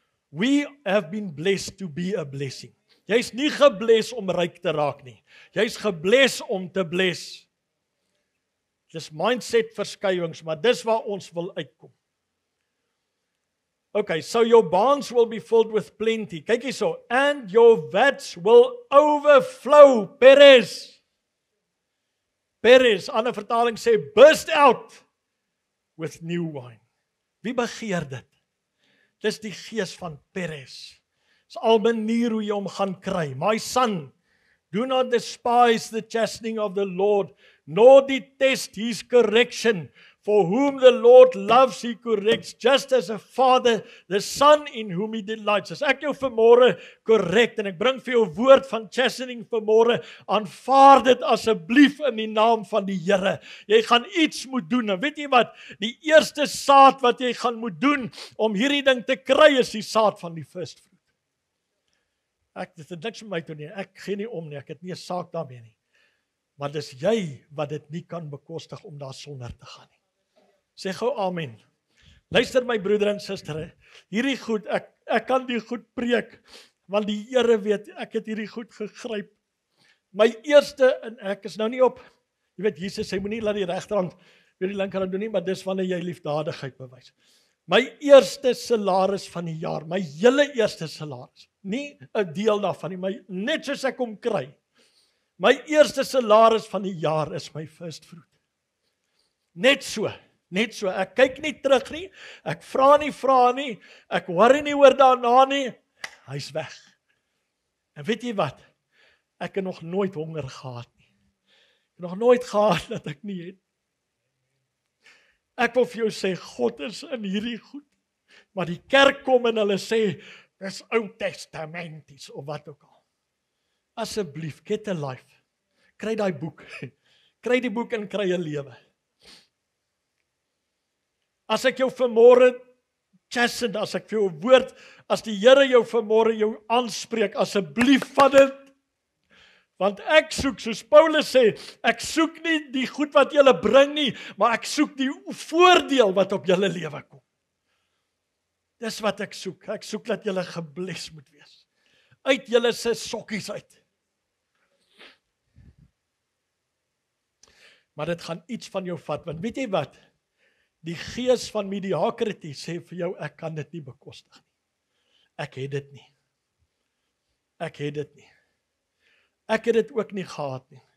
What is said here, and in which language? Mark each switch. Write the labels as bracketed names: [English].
[English] We have been blessed to be a blessing. [Afrikaans] Jy is nie gebless om ryk te raak nie. Jy is gebless om te bless. Dis mindset verskywings, maar dis waar ons wil uitkom. [English] Okay, so your barns will be filled with plenty. [Afrikaans] Kyk hierso, [English] and your vats will overflow, peres. [Afrikaans] Peres, ander vertaling sê, [English] burst out with new wine. [Afrikaans] Wie begeer dit? Dit is die gees van peres. Dit is al manier hoe jy hom gaan kry. [English] My son, do not despise the chastening of the Lord, nor detest his correction. For whom the Lord loves, he corrects, just as a father, the son in whom he delights. [Afrikaans] As ek jou vanmorgen correct, en ek bring vir jou woord van chastening vanmorgen, aanvaar dit asseblief in die naam van die Here. Jy gaan iets moet doen, en weet jy wat, die eerste saad wat jy gaan moet doen, om hierdie ding te kry, is die saad van die first fruit. Ek, dit is niks met my toe nie, ek gee nie om nie, ek het nie 'n saak daarmee nie. Maar dis jy wat dit nie kan bekostig om daar sonder te gaan nie. Sê gou amen. Luister my broeder en sistere, hierdie goed, ek kan die goed preek, want die Here weet, ek het hierdie goed gegryp. My eerste, en ek is nou nie op, jy weet, Jesus, hy moet nie laat die rechterhand, weet die linkerhand doen nie, maar dis wanneer jy liefdadigheid bewys. My eerste salaris van die jaar, my hele eerste salaris, nie een deel daarvan nie, maar net soos ek hom kry, my eerste salaris van die jaar is my first fruit. Net so, ek kyk nie terug nie, ek vra nie, ek worry nie oor daarna nie, hy is weg. En weet jy wat, ek het nog nooit honger gehad nie. Ek het nog nooit gehad dat ek nie het. Ek wil vir jou sê, God is in hierdie goed, maar die kerk kom en hulle sê, dis ou testamenties, of wat ook al. Asseblief, [English] get a life, [Afrikaans] kry die boek, kry die boek en kry 'n lewe. As ek jou vanmorgen chastend, as ek vir jou woord, as die Here jou vanmorgen jou aanspreek, asseblief van dit, want ek soek, soos Paulus sê, ek soek nie die goed wat julle bring nie, maar ek soek die voordeel wat op julle lewe kom. Dis wat ek soek, dat julle gebles moet wees, uit julle se sokkies uit. Maar dit gaan iets van jou vat, want weet jy wat, die gees van mediocrity sê vir jou, ek kan dit nie bekostig nie. Ek het dit nie. Ek het dit ook nie gehad nie.